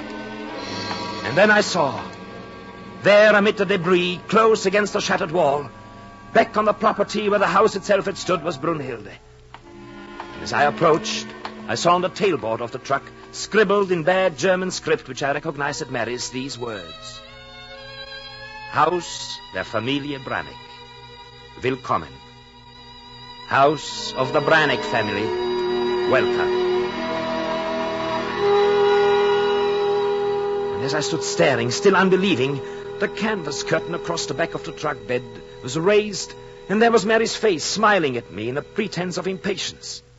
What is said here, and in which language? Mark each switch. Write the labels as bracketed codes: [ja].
[en] And then I saw, there amid the debris, close against the shattered wall, back on the property where the house itself had stood, was Brunhilde. And as I approached, I saw on the tailboard of the truck, scribbled in bad German script, which I recognized at Mary's, these words. [de] House der Familie Branick. Willkommen. [en] House of the Branick family. Welcome. And as I stood staring, still unbelieving, the canvas curtain across the back of the truck bed was raised, and there was Mary's face smiling at me in a pretense of impatience.